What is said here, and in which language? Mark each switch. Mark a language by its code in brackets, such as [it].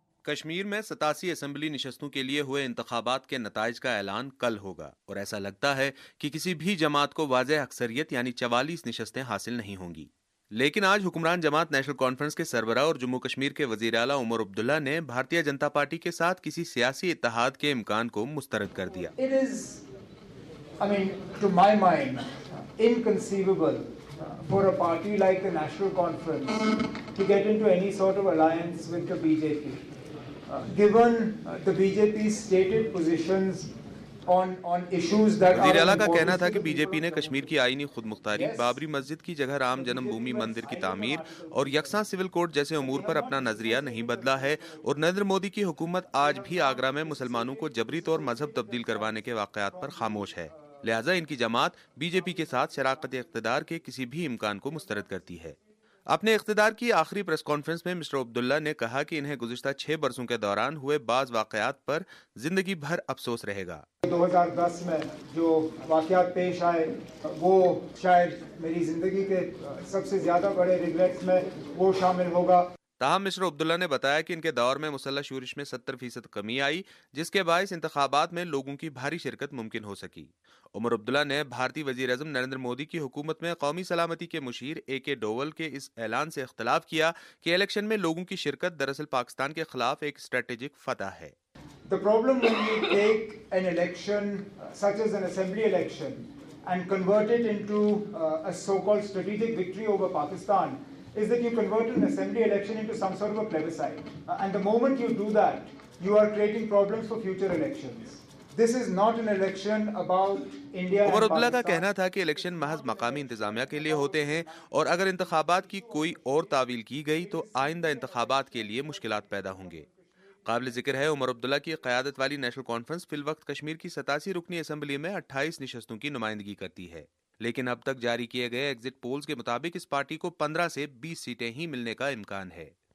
[ur] کشمیر میں 87 اسمبلی نشستوں کے لیے ہوئے انتخابات کے نتائج کا اعلان کل ہوگا, اور ایسا لگتا ہے کہ کسی بھی جماعت کو واضح اکثریت یعنی 44 نشستیں حاصل نہیں ہوں گی. لیکن آج حکمران جماعت نیشنل کانفرنس کے سربراہ اور جموں کشمیر کے وزیر اعلیٰ عمر عبداللہ نے بھارتیہ جنتا پارٹی کے ساتھ کسی سیاسی اتحاد کے امکان کو مسترد کر دیا. [en] to my mind, inconceivable for a party like the National Conference to get into any sort of alliance with the BJP, given the BJP's stated positions [ur] وزیر اعلیٰ کا کہنا تھا کہ بی جے پی نے کشمیر کی آئینی خود مختاری، بابری مسجد کی جگہ رام جنم بھومی مندر کی تعمیر اور یکساں سول کوڈ جیسے امور پر اپنا نظریہ نہیں بدلا ہے، اور نریندر مودی کی حکومت آج بھی آگرہ میں مسلمانوں کو جبری طور مذہب تبدیل کروانے کے واقعات پر خاموش ہے، لہذا ان کی جماعت بی جے پی کے ساتھ شراکت اقتدار کے کسی بھی امکان کو مسترد کرتی ہے۔ اپنے اقتدار کی آخری پریس کانفرنس میں مسٹر عبداللہ نے کہا کہ انہیں گزشتہ 6 برسوں کے دوران ہوئے بعض واقعات پر زندگی بھر افسوس رہے گا۔ 2010 میں جو واقعات پیش آئے وہ شاید میری زندگی کے سب سے زیادہ بڑے ریگریٹس میں وہ شامل ہوگا۔ تاہم مسٹر عبداللہ نے بتایا کہ ان کے دور میں مسلح شورش میں 70% کمی آئی، جس کے باعث انتخابات میں لوگوں کی بھاری شرکت ممکن ہو سکی۔ عمر عبداللہ نے بھارتی وزیر اعظم نریندر مودی کی حکومت میں قومی سلامتی کے مشیر اے کے ڈوول کے اس اعلان سے اختلاف کیا کہ الیکشن میں لوگوں کی شرکت دراصل پاکستان کے خلاف ایک اسٹریٹجک فتح ہے۔ [en] The problem when you take an election such as an assembly election and convert it into a so-called strategic victory over Pakistan is that you convert an assembly election into some sort of a plebiscite. And the moment you do that, you are creating problems for future elections. [ur] Omar Abdullah کا کہنا تھا کہ election محض مقامی انتظامیہ کے لیے ہوتے ہیں، اور اگر انتخابات کی کوئی اور تاویل کی گئی تو آئندہ انتخابات کے لیے مشکلات پیدا ہوں گے۔ قابل ذکر ہے عمر عبداللہ کی قیادت والی نیشنل کانفرنس فی الوقت کشمیر کی 87 رکنی اسمبلی میں 28 نشستوں کی نمائندگی کرتی ہے، لیکن اب تک جاری کیے گئے ایگزٹ پولز کے مطابق اس پارٹی کو 15 سے 20 سیٹیں ہی ملنے کا امکان ہے۔